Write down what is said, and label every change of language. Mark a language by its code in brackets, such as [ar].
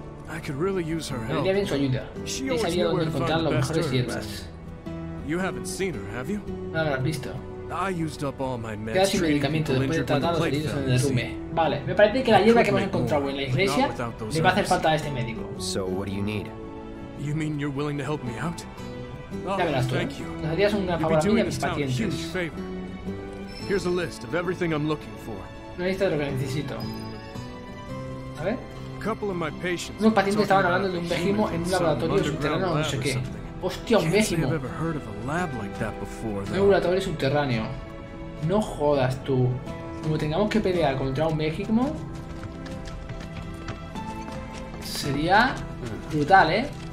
[en] I could really use her help. [es] Vendría bien su ayuda. Y sabía dónde encontrar las mejores hierbas. [en] You haven't seen her, have you? [es] No la has visto. [en] I used up all my meds. [es] Queda sin medicamento después de tratar los heridos en el derrumbe. Vale, me parece que la hierba que hemos encontrado en la iglesia le va a hacer falta a este médico. [en] So what do you need? You mean you're willing to help me out? [es] Ya verás tú. [en] Thank you. [es] Nos harías una favor a mí y a mis pacientes. [en] Here's a list of everything I'm looking for. [es] Una lista de lo que necesito. A ver. [en] Couple of my patients. [es] Unos pacientes estaban hablando de un vejimo en un laboratorio subterráneo, no sé qué. Hostia, un vejimo. Un laboratorio subterráneo. No jodas tú. Como tengamos que pelear contra un vejimo, sería brutal, ¿eh?